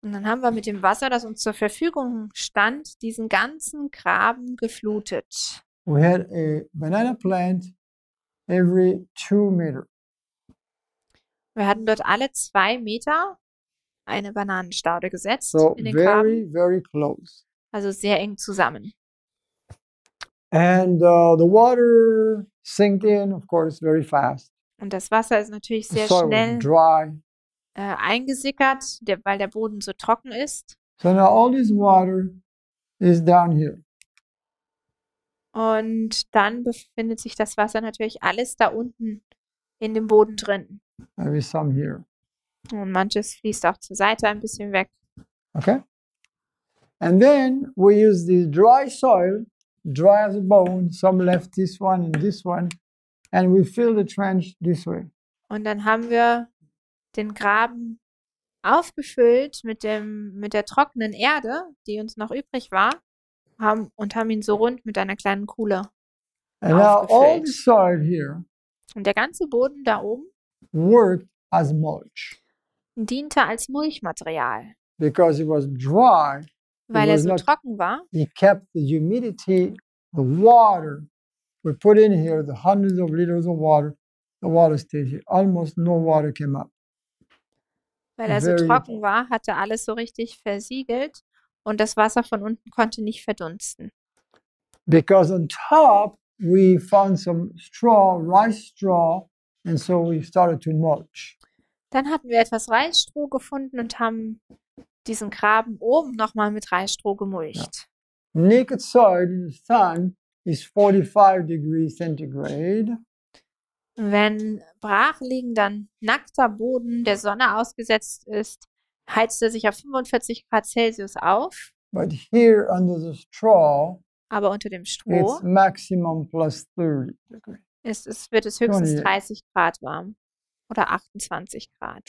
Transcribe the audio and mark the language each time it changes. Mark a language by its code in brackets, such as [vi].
[de] Und dann haben wir mit dem Wasser, das uns zur Verfügung stand, diesen ganzen Graben geflutet. [en] We had a banana plant every 2 meters. [de] Wir hatten dort alle 2 Meter eine Bananenstaude gesetzt, so in den Graben. [en] Very, very close. [de] Also sehr eng zusammen. [en] And the water sank in, of course, very fast. [de] Und das Wasser ist natürlich sehr so schnell [en] dry. [de] Eingesickert, weil der Boden so trocken ist. [en] So now all this water is down here. [de] Und dann befindet sich das Wasser natürlich alles da unten in dem Boden drin. [en] Maybe some here. [de] Und manches fließt auch zur Seite ein bisschen weg. [en] Okay. And then we use the dry soil, dry as a bone, some left this one and this one, and we fill the trench this way. [de] Und dann haben wir den Graben aufgefüllt mit der trockenen Erde, die uns noch übrig war, haben ihn so rund mit einer kleinen Kuhle [en] and [de] aufgefüllt. [en] Now all the soil here, [de] und der ganze Boden da oben [en] worked as mulch. [de] Diente als Mulchmaterial. [en] Because it was dry, [de] weil [en] it was [de] er so [en] not, [de] trocken war. [en] He kept the humidity, the water. We put in here the hundreds of liters of water. The water stayed here. Almost no water came up. [de] Weil er so trocken war, hatte alles so richtig versiegelt und das Wasser von unten konnte nicht verdunsten. [en] Because on top we found some straw, rice straw, and so we started to mulch. [de] Dann hatten wir etwas Reisstroh gefunden und haben diesen Graben oben nochmal mit Reisstroh gemulcht. [en] Yeah. Naked soil in the sun is 45 degrees centigrade. [de] Wenn brachliegender nackter Boden der Sonne ausgesetzt ist, heizt er sich auf 45 Grad Celsius auf. [en] But here under the straw, [de] aber unter dem Stroh [en] it's maximum plus 30 degrees. [de] Wird es höchstens 30 Grad warm. Oder 28 Grad.